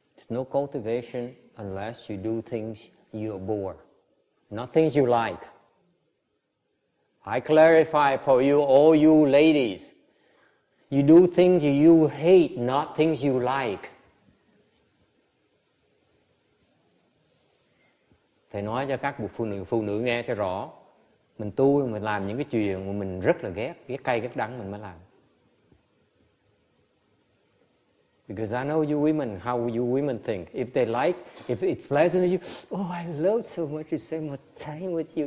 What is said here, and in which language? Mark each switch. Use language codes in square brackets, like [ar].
[en] No cultivation unless you do things you abhor, not things you like. I clarify for you, all you ladies, you do things you hate, not things you like. [vi] Thầy nói cho các phụ nữ nghe cho rõ, mình tu mình làm những cái chuyện mà mình rất là ghét, ghét cay ghét đắng mình mới làm. [en] Because I know you women, how you women think. If they like, if it's pleasant to you, oh, I love so much to spend more time with you.